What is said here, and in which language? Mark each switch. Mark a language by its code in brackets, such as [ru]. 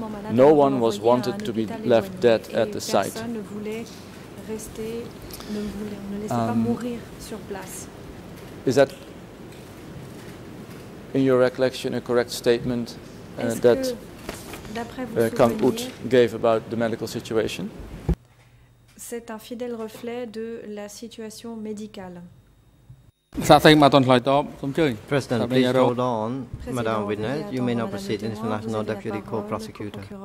[en] No one was wanted to be left dead at the site. Is that, in your recollection, a correct statement that Kang Ut gave about the medical situation? [fr] C'est un fidèle reflet de la situation médicale. [en] President, please hold on, Madame Witness. You may now proceed, International Deputy Co-Prosecutor.